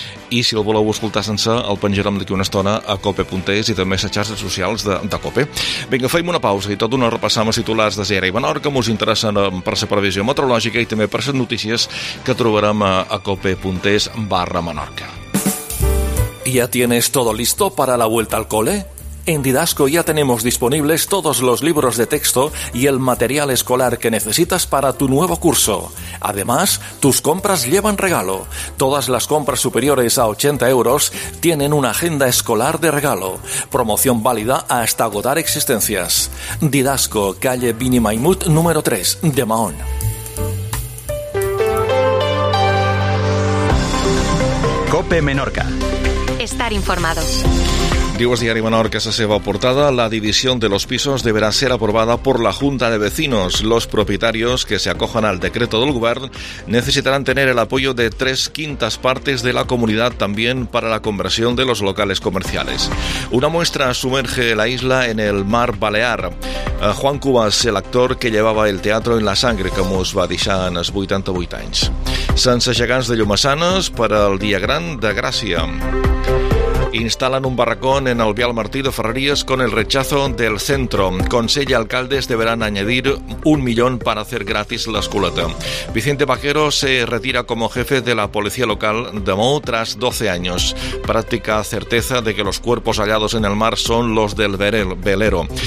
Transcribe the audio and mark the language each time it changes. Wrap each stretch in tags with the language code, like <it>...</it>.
<ca>I si el voleu escoltar sense, el penjarem d'aquí una estona a cope.es i també a les xarxes socials de COPE. Vinga, feim una pausa i tot una repassada amb els titulars de Zera i Menorca que mos interessen per la previsió meteorològica i també per les notícies que trobarem a cope.es/Menorca.</ca> <es>¿Ya tienes todo listo para la vuelta al cole? En Didasco ya tenemos disponibles todos los libros de texto y el material escolar que necesitas para tu nuevo curso. Además, tus compras llevan regalo. Todas las compras superiores a 80 euros tienen una agenda escolar de regalo. Promoción válida hasta agotar existencias. Didasco, calle Bini Maimut, número 3, de Mahón. COPE Menorca. Estar informado.</es> <ca>Diu el diari Menorca, la seva portada,</ca> <es>la división de los pisos deberá ser aprobada por la Junta de Vecinos. Los propietarios que se acojan al decreto del Govern necesitarán tener el apoyo de 3/5 partes de la comunidad también para la conversión de los locales comerciales. Una muestra sumerge la isla en el mar Balear. Juan Cubas, el actor que llevaba el teatro en la sangre,</es> <ca>que mos va deixar en els 88 anys. Sense gegants de llumassanes per al Dia Gran de Gràcia.</ca> <es>Instalan un barracón en el Vial Martí de Ferreries con el rechazo del centro. Consell y alcaldes deberán añadir 1 millón para hacer gratis la culata. Vicente Vaquero se retira como jefe de la policía local de Mou tras 12 años. Práctica certeza de que los cuerpos hallados en el mar son los del velero.</es>